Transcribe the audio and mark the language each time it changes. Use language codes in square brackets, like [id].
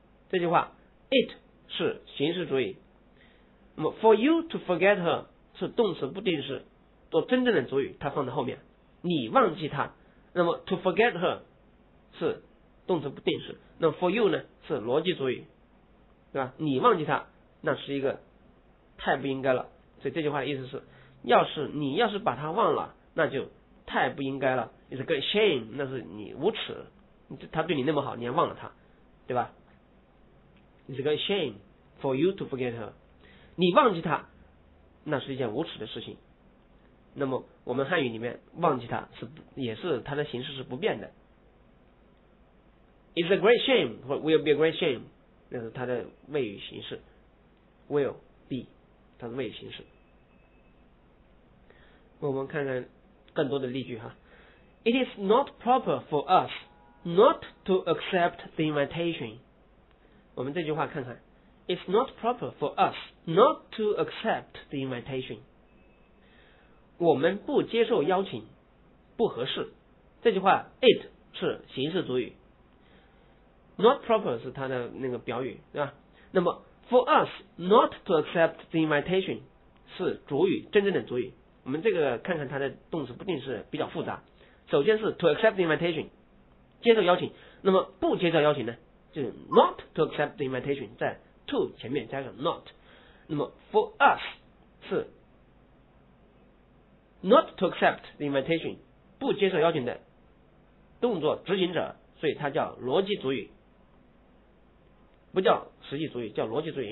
[zh] 这句话 It 是形式主语，那么 for you to forget her 是动词不定式做真正的主语，它放在后面，你忘记她，那么 to forget her 是动词不定式，那么 for you 呢是逻辑主语，对吧？你忘记她那是一个太不应该了，所以这句话的意思是要是把她忘了那就太不应该了， It's a great shame，那是你无耻，他对你那么好你还忘了他，对吧？ [en] It's a great shame for you to forget her，你忘记他那是一件无耻的事情。 [zh] 那么我们汉语里面忘记他是也是他的形式是不变的， It's a great shame or will be a great shame，那是他的谓语形式， will be 他的谓语形式。我们看看更多的例句哈。 [en] It is not proper for us not to accept the invitation。我们这句话看看， It's not proper for us not to accept the invitation。 [zh] 我们不接受邀请不合适，这句话 it 是形式主语， not proper 是它的那个表语，对吧？ [en] 那么 for us not to accept the invitation 是主语，真正的主语。 [zh] 我们这个看看它的动词不定式比较复杂，首先是 to accept the invitation，接受邀请。那么不接受邀请呢，就是 not to accept the invitation，在 to 前面加个 not。那么 for us 是 not to accept the invitation，不接受邀请的动作执行者，所以它叫逻辑主语，不叫实际主语，叫逻辑主语。